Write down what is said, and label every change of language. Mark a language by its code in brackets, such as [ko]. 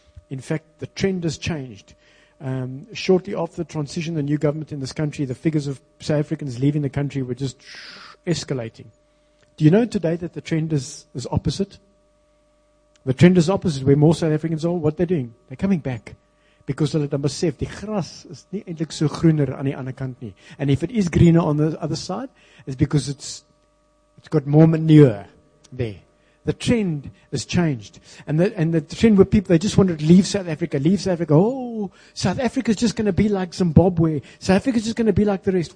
[en] In fact, the trend has changed. Shortly after the transition, the new government in this country, the figures of South Africans leaving the country were just escalating. Do you know today that the trend is opposite? The trend is opposite, where more South Africans are. What are they doing? They're coming back. [af] Because hulle dan besef, die gras is nie eintlik so groener aan die ander kant nie. [en] And if it is greener on the other side, it's because it's got more manure there. the trend has changed. And the trend where people, they just wanted to leave South Africa. Oh, South Africa's just going to be like Zimbabwe. South Africa's just going to be like the rest.